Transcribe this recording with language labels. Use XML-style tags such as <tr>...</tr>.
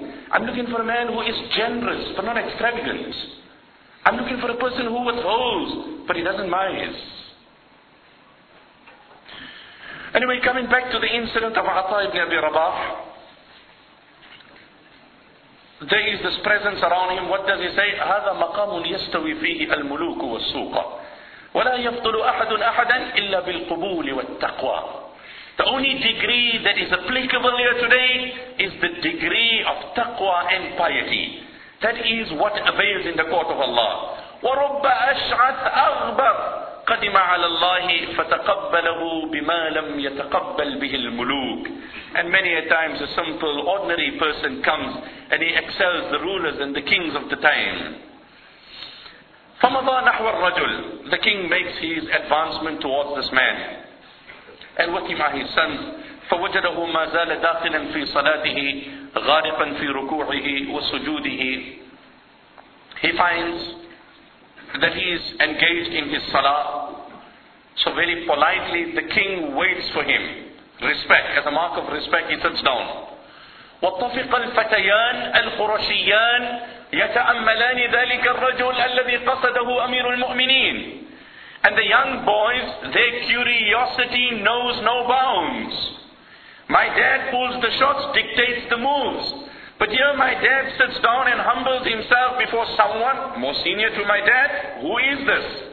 <en>I'm looking for a man who is generous, but not extravagant. I'm looking for a person who withholds, but he doesn't mise. Anyway, coming back to the incident of Atta ibn Abi Rabah. There is this presence around him. What does he say?</en> <ar>هذا مقام يستوي فيه الملوك والسوق ولا يفضل أحد أحدا إلا بالقبول والتقوى.</ar> <en>The only degree that is applicable here today is the degree of taqwa and piety. That is what avails in the court of Allah.</en> <ar>وَرُبَّ أَشْعَثْ أَغْبَرْ قَدِمَ عَلَى اللَّهِ فَتَقَبَّلَهُ بِمَا لَمْ يَتَقَبَّلْ بِهِ الْمُلُوكِ.</ar> <en>And many a times a simple, ordinary person comes and he excels the rulers and the kings of the time.</en> <ar>فَمَضَى نَحْوَ الرَّجُلِ.</ar> <en>The king makes his advancement towards this man. And with him are his sons.</en> <ar>فوجده ما زال داخلا في صلاته غارقا في ركوعه وسجوده.</ar> <en>He finds that he is engaged in his salah. So very politely the king waits for him. Respect, as a mark of respect, he sits down.</en> <ar>وطفق الفتيان الخرشيان يتأملان ذلك الرجل الذي قصده أمير المؤمنين.</ar> <en>And the young boys, their curiosity knows no bounds. My dad pulls the shots, dictates the moves. But here my dad sits down and humbles himself before someone more senior to my dad. Who is this?</en>